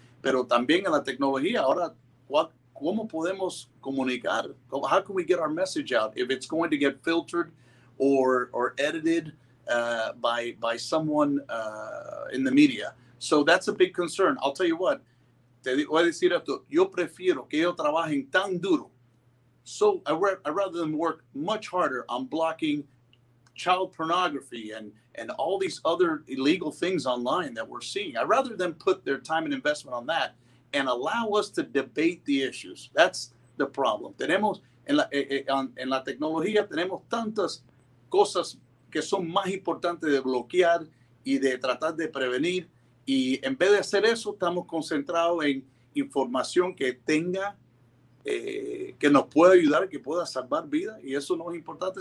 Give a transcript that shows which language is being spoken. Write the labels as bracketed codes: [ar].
[es] Pero también en la tecnología, ahora, ¿cómo podemos comunicar? [en] How can we get our message out if it's going to get filtered or edited by someone in the media? So that's a big concern. I'll tell you what, te voy a decir esto. Yo prefiero que ellos trabajen tan duro. So I'd rather them work much harder on blocking child pornography and all these other illegal things online that we're seeing. I'd rather them put their time and investment on that and allow us to debate the issues. That's the problem. [es] Tenemos en la tecnología, tenemos tantas cosas que son más importantes de bloquear y de tratar de prevenir. Y en vez de hacer eso, estamos concentrados en información que tenga, que nos pueda ayudar, que pueda salvar vidas. Y eso no es importante.